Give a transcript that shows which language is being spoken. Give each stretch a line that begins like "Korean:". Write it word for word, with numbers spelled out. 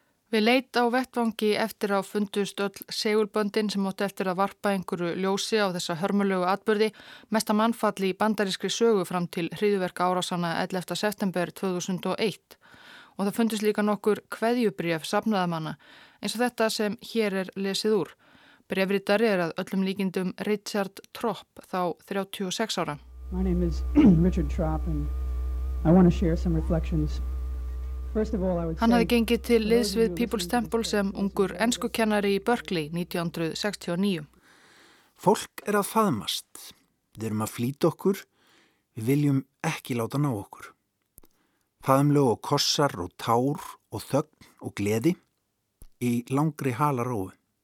Icelandic: Við leit á vettvangi eftir að fundust öll segulböndin sem átti eftir að varpa einhverju ljósi á þessa hörmulegu atburði, mesta mannfalli í bandarískri sögu fram til hryðjuverka árásana ellefta september tvö þúsund og eitt. Og það fundist líka nokkur kveðjubréf safnaðamanna, eins og þetta sem hér er lesið úr. Bréfritari er að öllum líkindum Richard Tropp, þá þrjátíu og sex ára.
English: My name is Richard Tropp and I want to share some reflections. First of all, I would say...
Icelandic: Hann hafði gengið til liðs við People's Temple sem ungur enskukennari í Berkeley nítján hundruð sextíu og níu. Fólk er að faðmast. Við erum að flýta okkur. Við viljum ekki láta ná okkur. Faðumlög og kossar og tár og þögn og gleði í langri halarófi.